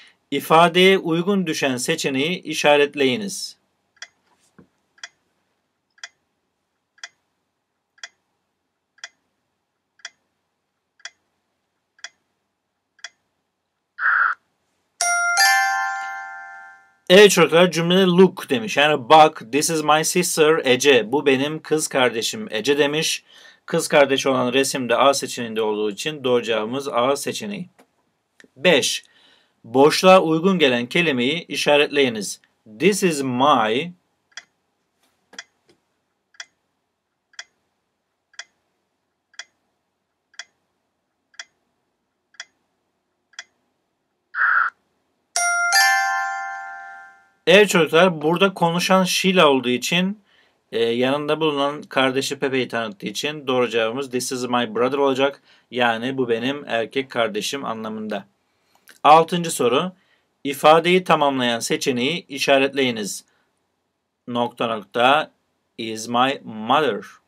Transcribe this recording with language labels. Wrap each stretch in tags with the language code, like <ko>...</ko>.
<tr>İfadeye uygun düşen seçeneği işaretleyiniz. Evet çocuklar, cümlede look demiş. Yani bak,</tr> <en>this is my sister Ece.</en> <tr>Bu benim kız kardeşim Ece demiş. Kız kardeş olan resimde A seçeneğinde olduğu için doğru cevabımız A seçeneği. 5. Boşluğa uygun gelen kelimeyi işaretleyiniz.</tr> <en>This is my.</en> <tr>Evet çocuklar, burada konuşan Sheila olduğu için yanında bulunan kardeşi Pepe'yi tanıttığı için doğru cevabımız</tr> <en>this is my brother</en> <tr>olacak. Yani bu benim erkek kardeşim anlamında. Altıncı soru. İfadeyi tamamlayan seçeneği işaretleyiniz. Nokta nokta</tr> <en>is my mother.</en>